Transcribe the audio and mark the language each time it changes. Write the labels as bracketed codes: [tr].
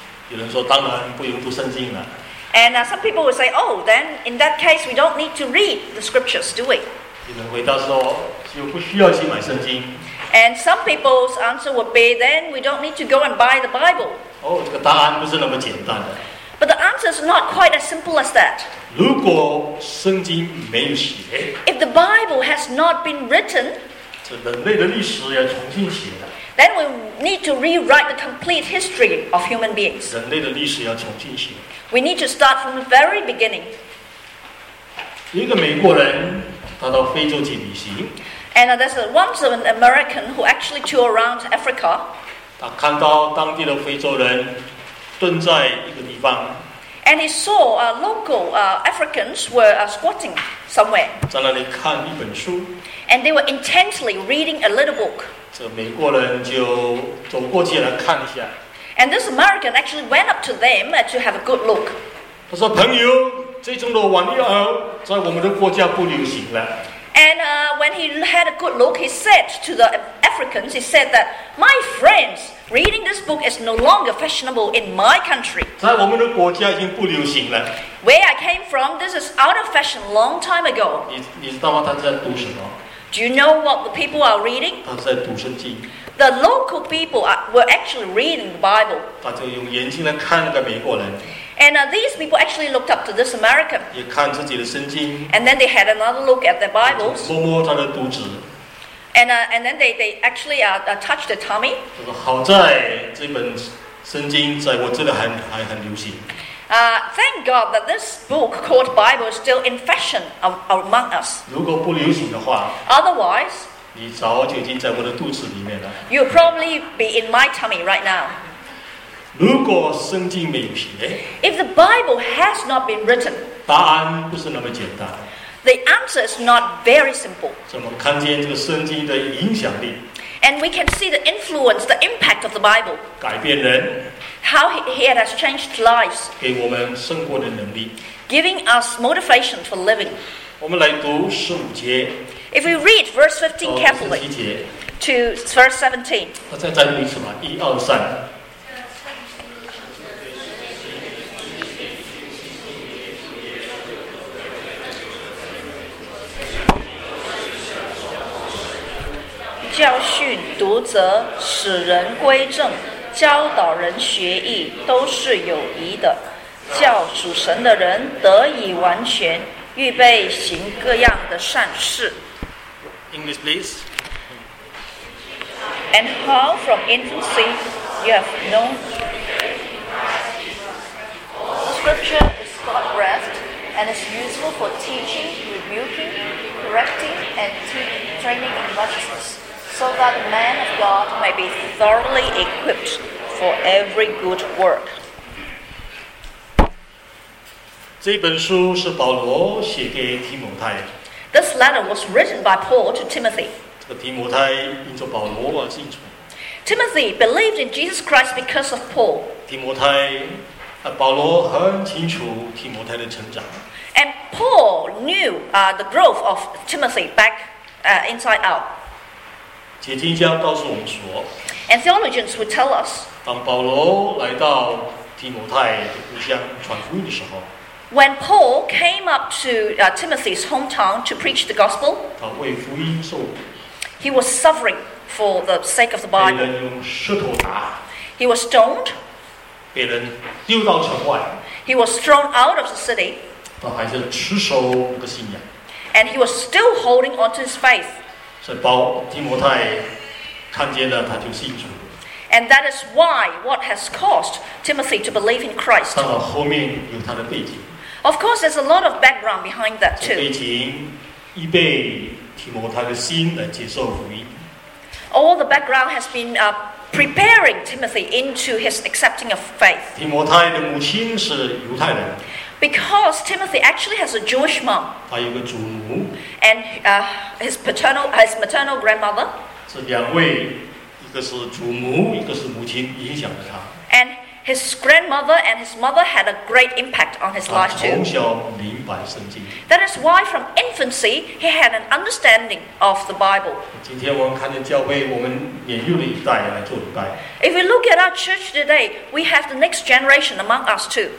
[zh] 有人说当然不用读圣经了。 [en] And some people will say, oh, then in that case, we don't need to read the scriptures, do we? [zh] 有人回答说就不需要去买圣经。 [en] And some people's answer would be, then we don't need to go and buy the Bible. [zh] 哦，这个答案不是那么简单的。 [en] But the answer is not quite as simple as that. [zh] 如果圣经没有写。 [en] If the Bible has not been written. [zh] 这人类的历史要重新写的。 [en] Then we need to rewrite the complete history of human beings. [zh] 人类的历史要重新写。 [en] We need to start from the very beginning. [zh] 一个美国人，他到非洲去旅行。 [en] And there's once an American who actually toured around Africa. [zh] 他看到当地的非洲人蹲在一个地方。 [en] And he saw local Africans were squatting somewhere. [zh] 在那里看一本书。 [en] And they were intently reading a little book. [zh] 这美国人就走过去来看一下。 [en] And this American actually went up to them to have a good look. [zh] 他说：“朋友，这种的玩意儿在我们的国家不流行了。” [en] And when he had a good look, he said to the Africans, he said that, my friends, reading this book is no longer fashionable in my country. [zh] 在我们的国家已经不流行了。 [en] Where I came from, this is out of fashion long time ago. [zh] 你知道吗？他在读什么？ [en] Do you know what the people are reading? [zh] 他在读圣经。 [en] The local people were actually reading the Bible. [zh] 他就用眼睛来看那个美国人。 [en] And these people actually looked up to this American. [zh] 也看自己的圣经。 [en] And then they had another look at their Bibles. [zh] 摸摸他的肚子。 [en] And then they actually touched their tummy. [zh] 他说好在这本圣经在我这里还流行。 [en] Thank God that this book called Bible is still in fashion among us. [zh] 如果不流行的话。 [en] Otherwise. [zh] 你早就已经在我的肚子里面了。 [en] You'll probably be in my tummy right now. [zh] 如果圣经没有写， [en] If the Bible has not been written, [zh] 答案不是那么简单。 [en] The answer is not very simple. [zh] 我们看见这个圣经的影响力。 [en] And we can see the influence, the impact of the Bible. [zh] 改变人。 [en] How it has changed lives. [zh] 给我们生活的能力。 [en] Giving us motivation for living. [zh] 我们来读十五节。 [en] If we read verse 15 carefully, [zh] 十七节 [en] to verse 17. [zh] 我再读一次嘛，一二三。教训读则使人归正，教导人学义都是有益的，叫属神的人得以完全，预备行各样的善事。 [en] English please. And how from infancy you have known the scripture is God's breath and is useful for teaching, rebuking, correcting and training in righteousnessso that the man of God may be thoroughly equipped for every good work. [zh] 这本书是保罗写给提摩太。 [en] This letter was written by Paul to Timothy. [zh] 这个提摩太因着保罗而信主。 [en] Timothy believed in Jesus Christ because of Paul. [zh] 提摩太，保罗很清楚提摩太的成长。 [en] And Paul knew the growth of Timothy back inside out. [zh] 解经家告诉我们说 [en] ，And theologians would tell us， [zh] 当保罗来到提摩太的故乡传福音的时候 [en] ，When Paul came up to Timothy's hometown to preach the gospel， [zh] 他为福音受苦 [en] ，He was suffering for the sake of the Bible。 [zh] 被人用石头打 [en] ，He was stoned。 [zh] 被人丢到城外 [en] ，He was thrown out of the city。 [zh] 他还是持守这个信仰 [en] ，And he was still holding on to his faith。 [zh] 所以保提摩太看见了，他就信主。 [en] And that is why what has caused Timothy to believe in Christ. [zh] 当然后面有他的背景。 [en] Of course, there's a lot of background behind that too. [zh] 背景预备提摩太的心来接受福音。 [en] All the background has been preparing Timothy into his accepting of faith. [zh] 提摩太的母亲是犹太人。 [en] Because Timothy actually has a Jewish mom. [zh] 他有个祖母。 [en] And his maternal grandmother. [zh] 是两位以一个是祖母，一个是母亲影响了他。 [en] And his grandmother and his mother had a great impact on his life too. [zh] 他从小明白圣经。 [en] That is why from infancy he had an understanding of the Bible. [zh] 今天我们看见教会，我们年幼的一代来做礼拜。 [en] If we look at our church today, we have the next generation among us too.